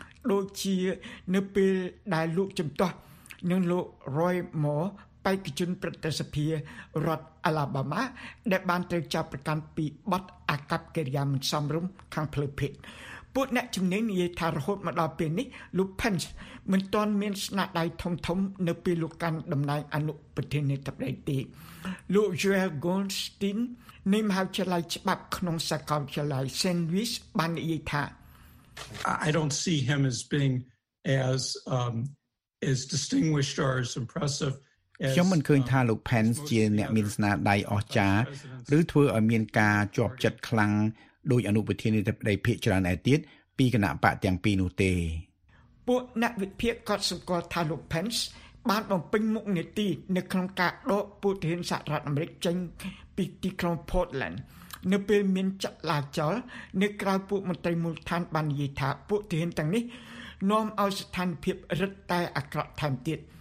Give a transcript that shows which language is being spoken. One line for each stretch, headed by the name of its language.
Khmer: ដូចជានៅពេលដែលលោកជំទាស់នឹងលោក Roy Moore បេក្ខជនប្រតិសភីរដ្ឋអាឡាបាម៉ាដែលបានត្រូវចាប់ប្រកាន់ពីបទអាកប្បកិរិយាមិនសមរម្យខាងផ្លូវភេទពួកអ្នកជំនាញនិយាយថារហូតមកដល់ពេលនេះលោក Pence មិនទាន់មានស្នាដៃធំធំនៅពេលលោកកាន់តំណែងអនុប្រធានាធិបតីទេលោក Joel Goldstein នៃមហាវិទ្យាល័យច្បាប់ក្នុងសាកលវិទ្យាល័យ San Luis បាននិយាយថា
English: I don't see him as being as distinguished or as impressive
Khmer: ខ្ញុំមិនឃើញថាលោក Pence ជាអ្នកមានស្នាដៃអស្ចារ្យឬធ្វើឲ្យមានការជាប់ចិត្តខ្លាំងដោយអនុប្រធានាធិបតីភាគច្រើនឯទៀតពីគណៈបកទាំងពីរនោះទេ ពួកអ្នកវិភាគក៏សម្គាល់ថាលោក Pence បានបំពេញមុខនីតិនៅក្នុងការដកពលរដ្ឋសហរដ្ឋអាមេរិកចេញពីទីក្រុង Portland នៅពេលមានចលាចលនៅក្រៅពួកមន្ត្រីមូលដ្ឋានបាននិយាយថាពួកទាហានទាំងនេះនាំឲ្យស្ថានភាពរឹតតែអាក្រក់ថែមទៀត